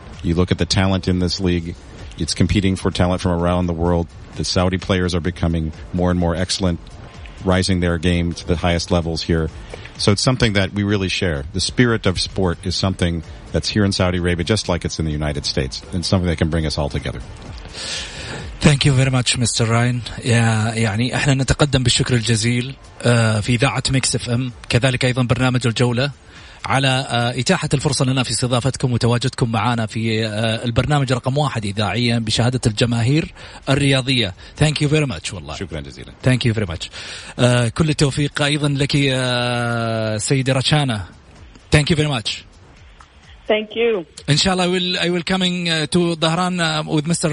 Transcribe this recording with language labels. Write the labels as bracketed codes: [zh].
[en] You look at the talent in this league. It's competing for talent from around the world. The Saudi players are becoming more and more excellent, rising their game to the highest levels here. So it's something that we really share. The spirit of sport is something that's here in Saudi Arabia, just like it's in the United States, and something that can bring us all together. Thank you very much, Mr. Ryan. [ar] يعني احنا نتقدم بالشكر الجزيل في إذاعة ميكس اف ام, كذلك ايضا برنامج الجولة, على إتاحة الفرصة لنا في استضافتكم وتواجدكم معنا في البرنامج رقم واحد إذاعيا بشهادة الجماهير الرياضية. [en] Thank you very much. والله [ar] شكرا جزيلا. [en] Thank you very much. [ar] كل التوفيق ايضا لك سيدة رتشانا. [en] Thank you very much. Thank you. Inshallah, I will coming to Dhahran with Mr.